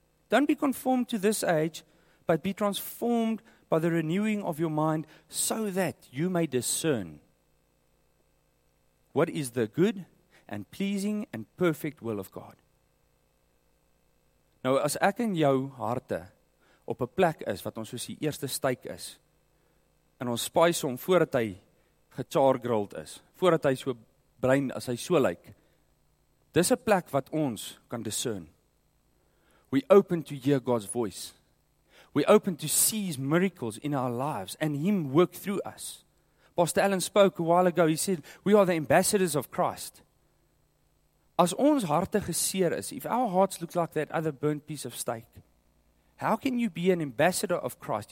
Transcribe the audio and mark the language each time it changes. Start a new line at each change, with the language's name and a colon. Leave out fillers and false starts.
English: Don't be conformed to this age, but be transformed by the renewing of your mind, so that you may discern what is the good and pleasing and perfect will of God.
Afrikaans: Nou, as ek in jou harte op 'n plek is, wat ons soos die eerste steik is, en ons spuis hom voordat hy gechargrilled is, voordat hy so bruin as hy so lyk, dis 'n plek wat ons kan discern.
English: We open to hear God's voice. We open to see his miracles in our lives and him work through us. Pastor Allen spoke a while ago, he said, we are the ambassadors of Christ.
Afrikaans: As ons harte geseer is,
English: if our hearts look like that other burnt piece of steak, how can you be an ambassador of Christ?